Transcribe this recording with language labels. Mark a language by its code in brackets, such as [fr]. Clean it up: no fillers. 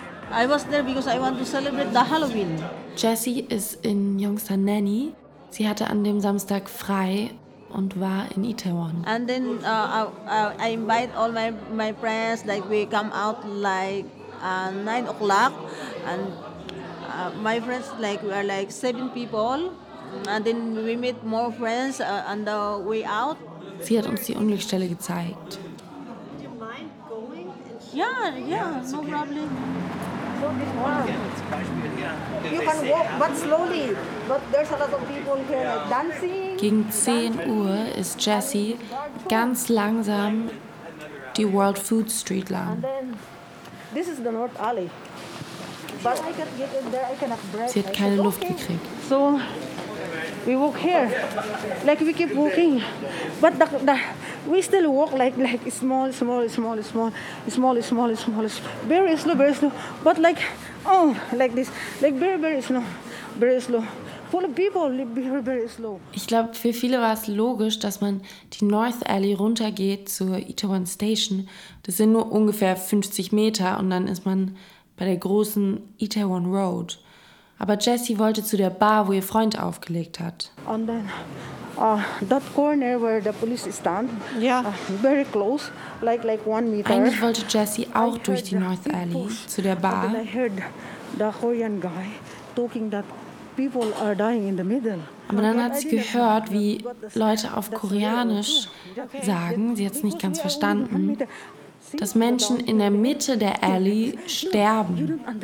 [en] I was there because I want to celebrate the Halloween. [de] Jessie ist in Yongsan Nanny. Sie hatte an dem Samstag frei und war in Itaewon. [en] And then I invite all my friends, like we come out like 9 o'clock, and my friends like we are like 7 people, and then we meet more friends on the way out. [de] Sie hat uns die Unglücksstelle gezeigt. [en] Would you mind going? Yeah, no okay. Problem. [de] Gegen 10 Uhr ist Jessie ganz langsam die World Food Street lang. Sie hat keine Luft gekriegt. [en] So, we walk here, like we keep walking, but the we still walk like small, very slow, very slow, but like, oh, like this, like very, very slow, very slow. Full of people, very, very slow. [de] Ich glaube, für viele war es logisch, dass man die North Alley runtergeht zur Itaewon Station. Das sind nur ungefähr 50 Meter und dann ist man bei der großen Itaewon Road. Aber Jessie wollte zu der Bar, wo ihr Freund aufgelegt hat. [en] And then, that corner where the police stand, yeah. Very close, like 1 meter. [de] Eigentlich wollte Jessie auch durch die North Alley zu der Bar. [en] And then I heard the Korean guy talking that people are dying in the middle. [de] Aber dann hat sie gehört, wie Leute auf Koreanisch sagen, sie hat es nicht ganz verstanden, dass Menschen in der Mitte der Alley sterben.